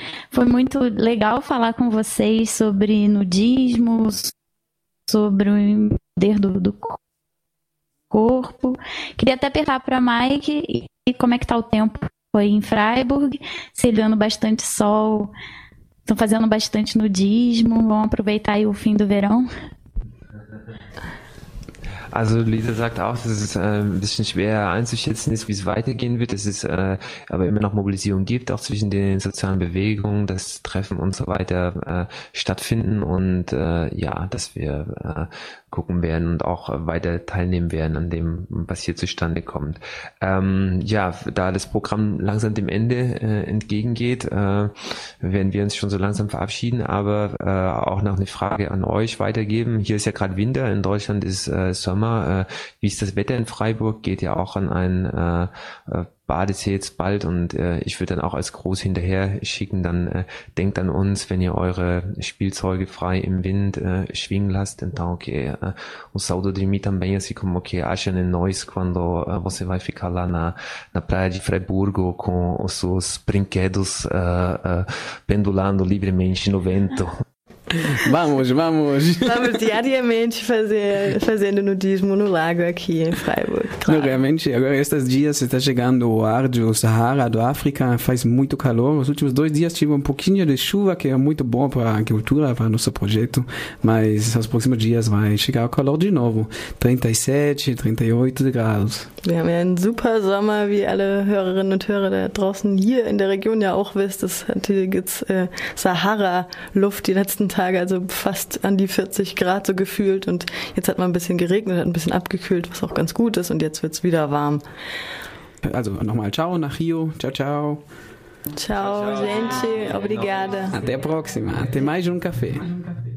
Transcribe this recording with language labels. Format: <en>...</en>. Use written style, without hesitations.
<pt>Foi muito legal falar com vocês sobre nudismo, sobre o poder do corpo. Queria até perguntar para a Mike e como é que está o tempo aí em Freiburg, se olhando bastante sol, estão fazendo bastante nudismo, vão aproveitar aí o fim do verão.</pt> <de>Also Lisa sagt auch, dass es ein bisschen schwer einzuschätzen ist, wie es weitergehen wird, dass es aber immer noch Mobilisierung gibt, auch zwischen den sozialen Bewegungen, dass Treffen und so weiter stattfinden und dass wir gucken werden und auch weiter teilnehmen werden an dem, was hier zustande kommt. Da das Programm langsam dem Ende entgegengeht, werden wir uns schon so langsam verabschieden, aber auch noch eine Frage an euch weitergeben. Hier ist ja gerade Winter, in Deutschland ist Sommer. Wie ist das Wetter in Freiburg? Geht ja auch an einen Badesee jetzt bald, und ich würde dann auch als Gruß hinterher schicken, dann denkt an uns, wenn ihr eure Spielzeuge frei im Wind schwingen lasst.</de> <pt>Então, ok, um saludo de mim também, assim como que acham em nós quando você vai ficar lá na praia de Freiburgo com os seus brinquedos pendulando livremente no vento. Vamos, vamos! Estamos diariamente fazendo nudismo no lago aqui em Freiburg. Claro. Não, realmente, agora estes dias está chegando o ar do Sahara, do África, faz muito calor. Os últimos dois dias tive um pouquinho de chuva, que é muito bom para a agricultura, para o nosso projeto, mas nos próximos dias vai chegar o calor de novo, 37, 38 graus.</pt> <de>Wir haben ja einen super Sommer, wie alle Hörerinnen und Hörer da draußen hier in der Region ja auch wisst. Es gibt Sahara-Luft die letzten Tage, also fast an die 40 Grad so gefühlt. Und jetzt hat man ein bisschen geregnet, hat ein bisschen abgekühlt, was auch ganz gut ist. Und jetzt wird's wieder warm. Also nochmal ciao nach Rio. Ciao, ciao.</de> <pt>Ciao, gente. Obrigada. Até a próxima. Até mais um café.</pt>